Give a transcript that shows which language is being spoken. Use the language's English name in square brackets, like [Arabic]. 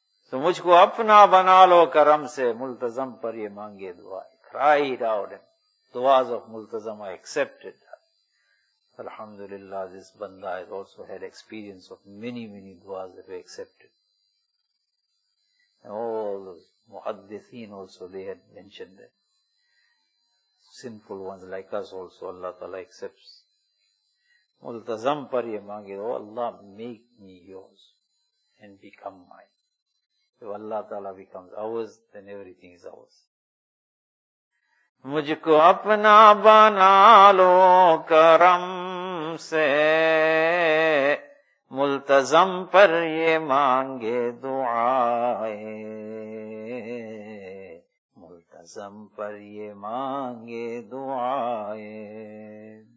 [Urdu] So, مجھ کو اپنا بنا لو کرم سے, ملتزم پر یہ مانگے دعا. [English] Cried out and duas of multazam are accepted. Alhamdulillah, this banda has also had experience of many, many duas that were accepted. All those muhaddithin also, they had mentioned that. Sinful ones like us also, Allah Ta'ala accepts. [Urdu] Multazam par ye mangi, [English] oh Allah, make me yours and become mine. If Allah Ta'ala becomes ours, then everything is ours. [Urdu] Mujhko apna bana lo karam se, ملتزم پر یہ مانگے دعائے, ملتزم پر یہ مانگے دعائے.